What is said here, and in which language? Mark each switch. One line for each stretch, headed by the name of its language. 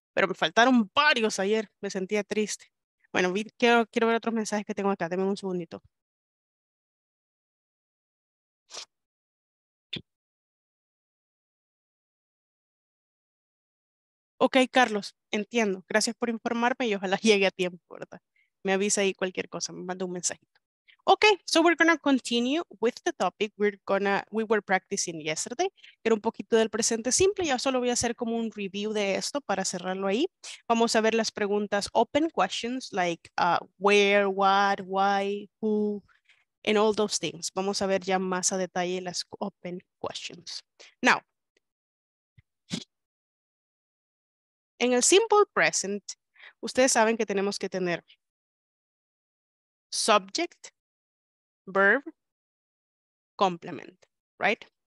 Spanish: Pero me faltaron varios ayer, me sentía triste. Bueno, quiero ver otros mensajes que tengo acá, denme un segundito. Ok, Carlos, entiendo. Gracias por informarme y ojalá llegue a tiempo, ¿verdad? Me avisa ahí cualquier cosa, me manda un mensajito.
English: Ok, so we're going to continue with the topic we were practicing yesterday.
Spanish: Era un poquito del presente simple. Ya solo voy a hacer como un review de esto para cerrarlo ahí. Vamos a ver las preguntas
English: open questions like where, what, why, who, and all those things.
Spanish: Vamos a ver ya más a detalle las open questions. Now, en el simple present, ustedes saben que tenemos que tener
English: subject, verb, complement, right?